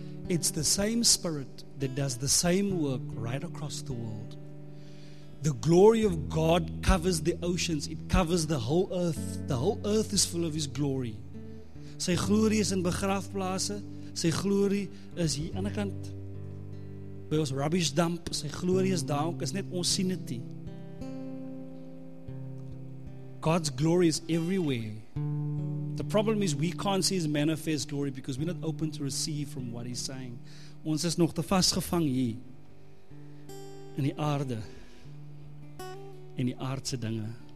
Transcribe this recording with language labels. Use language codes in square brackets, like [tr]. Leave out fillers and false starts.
[en] It's the same spirit that does the same work right across the world. The glory of God covers the oceans, it covers the whole earth. The whole earth is full of His glory. [af] Sy glorie is in begraafplaase, sy glorie is hier aan die kant. By ons rubbish dump, sy glorie is daar ook, is net ons sien dit nie. [en] God's glory is everywhere. The problem is we can't see His manifest glory because we're not open to receive from what He's saying. [af] Ons is nog te vasgevang hier in die aarde en die aardse dinge.